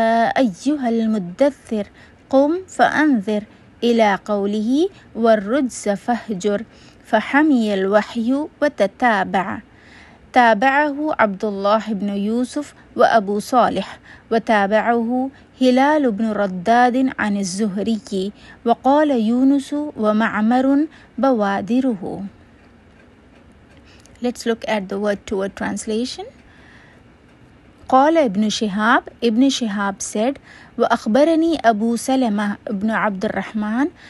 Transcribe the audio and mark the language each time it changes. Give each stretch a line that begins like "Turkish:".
Arabic: أيها المدثر قم فأنذر إلى قوله والرجز فهجر فحمي الوحي وتتابع تابعه عبد الله بن يوسف وأبو صالح وتابعه هلال بن رداد عن الزهري وقال يونس ومعمر بوادره.
English: Let's look at the word to word translation.
Arabic: قال ابن شهاب. ابن شهاب said وأخبرني أبو سلمة ابن عبد الرحمن.